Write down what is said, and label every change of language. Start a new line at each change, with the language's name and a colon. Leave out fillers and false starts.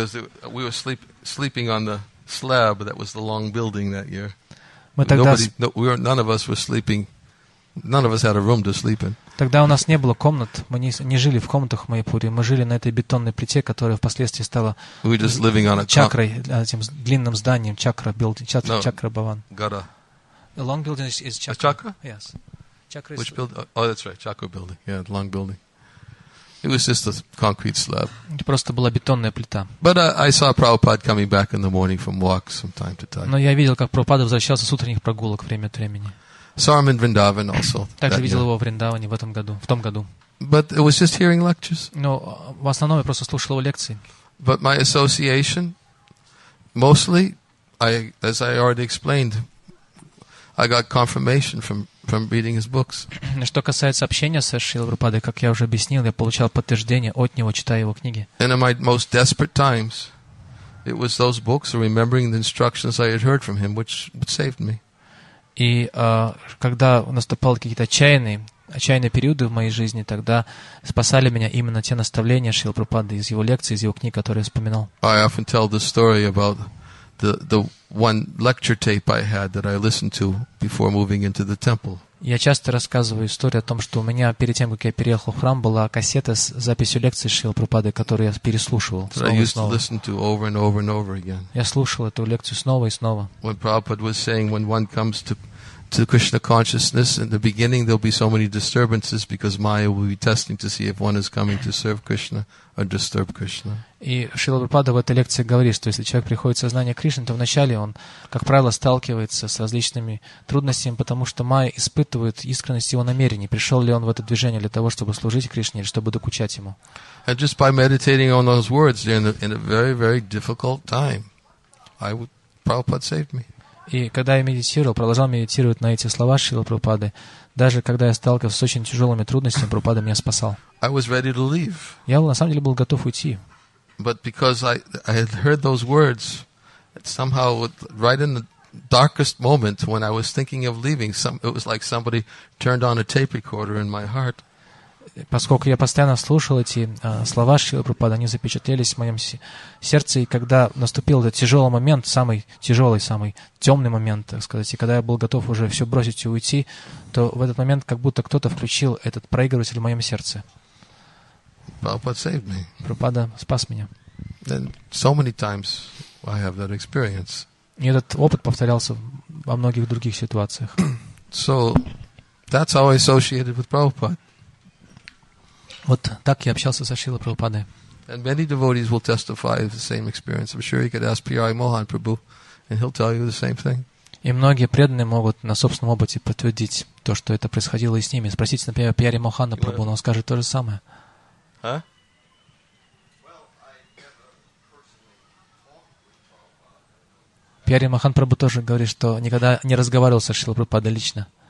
English: Because we were sleeping on the slab that was the long building that year.
Russian: Мы тогда
English: none of us were sleeping. None of us had a room to sleep in.
Russian: Тогда у нас не было комнат. Мы не жили в комнатах в Майяпуре. Мы жили на этой бетонной плите, которая впоследствии стала чакрой, этим длинным зданием, чакра building, чакра Баван.
English: Got a long building is chakra. A chakra? Yes. Chakra is which building? Oh, that's right. Chakra building. Yeah, the long building. It was just a concrete slab.
Russian: Это просто была бетонная плита.
English: But I saw Prabhupada coming back in the morning from walks from time to time.
Russian: Но я видел, как Прабхупада возвращался с утренних прогулок время от времени.
English: Saw him in Vrindavan also.
Russian: Также видел его в Вриндаване в этом году, в том году.
English: But it was just hearing lectures.
Russian: Но в основном я просто слушал его лекции.
English: But my association, mostly, as I already explained, I got confirmation from reading his books.
Russian: Что касается общения со Шрилой Прабхупадой, как я уже объяснил, я получал подтверждение от него, читая его книги.
English: And in my most desperate times, it was those books, remembering the instructions I had heard from him, which saved me.
Russian: И когда наступали какие-то отчаянные периоды в моей жизни, тогда спасали меня именно те наставления Шрилы Прабхупады из его лекций, из его книг, которые я вспоминал.
English: I often tell the story about the one lecture tape I had that I listened to before moving into the temple.
Russian: Я часто рассказываю историю о том, что у меня перед тем, как я переехал в храм, была кассета с записью лекций Шрилы Прабхупады, которую я переслушивал снова и снова.
English: I used to listen to over and over and over again.
Russian: Я слушал эту лекцию снова и снова.
English: When Prabhupada was saying, when one comes to Krishna consciousness, in the beginning there'll be so many disturbances because Maya will be testing to see if one is coming to serve Krishna or disturb Krishna.
Russian: И Шрила Прабхупада в этой лекции говорит, что если человек приходит в сознание Кришны, то вначале он, как правило, сталкивается с различными трудностями, потому что Майя испытывает искренность его намерений, пришел ли он в это движение для того, чтобы служить Кришне или чтобы докучать ему.
English: And just by meditating on those words during in a very, very difficult time, Prabhupada saved me.
Russian: И когда я продолжал медитировать на эти слова Шрилы Прабхупады, даже когда я сталкивался с очень тяжелыми трудностями, Прабхупада меня спасал.
English: I was ready to leave.
Russian: Я на самом деле был готов уйти.
English: But because I had heard those words, somehow right in the darkest moment when I was thinking of leaving, it was like somebody turned on a tape recorder in my heart.
Russian: Поскольку я постоянно слушал эти слова Шрилы Прабхупады, они запечатлелись в моем сердце, и когда наступил этот тяжелый момент, самый тяжелый, самый темный момент, так сказать, и когда я был готов уже все бросить и уйти, то в этот момент как будто кто-то включил этот проигрыватель в моем сердце. Прабхупада спас меня.
English: And so many times I have that experience.
Russian: И этот опыт повторялся во многих других ситуациях.
English: So that's how I associated with Prabhupada.
Russian: Вот так я общался со Шрилой Прабхупадой.
English: And many devotees will testify of the same experience. I'm sure you could ask P.R. Mohan Prabhu, and he'll tell you the same thing.
Russian: И многие преданные могут на собственном опыте подтвердить то, что это происходило и с ними. Спросите, например, П.Р. Мохана Прабу, он скажет то же самое. А? П.Р. Мохан Прабу тоже говорит, что никогда не разговаривал со Шрилой Прабхупадой лично.